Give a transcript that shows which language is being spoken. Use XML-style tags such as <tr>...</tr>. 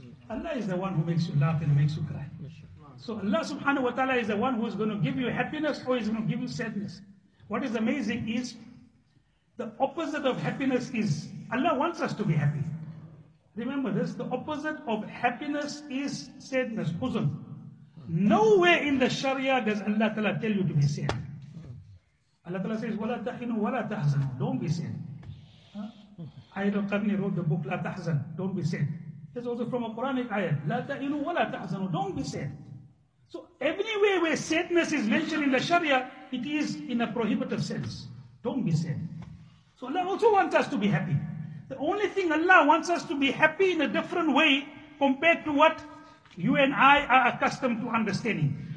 <en>Allah is the one who makes you laugh and makes you cry. So Allah subhanahu wa ta'ala is the one who is going to give you happiness or is going to give you sadness. What is amazing is the opposite of happiness is, Allah wants us to be happy. Remember this, the opposite of happiness is sadness, huzn. Nowhere in the Sharia does Allah Ta'ala tell you to be sad. Allah Ta'ala says,</en> <ar>وَلَا تَحِنُوا وَلَا تَحْزَنُ.</ar> <en>Don't be sad. Ayat al-Qarni wrote the book,</en> <ar>لَا تَحْزَن.</ar> <en>Don't be sad. It's also from a Quranic ayat.</en> <ar>لَا تَحِنُوا وَلَا تَحْزَنُ.</ar> <en>Don't be sad. So anywhere where sadness is mentioned in the Sharia, it is in a prohibitive sense. Don't be sad. So Allah also wants us to be happy. The only thing Allah wants us to be happy in a different way compared to what you and I are accustomed to understanding.</en>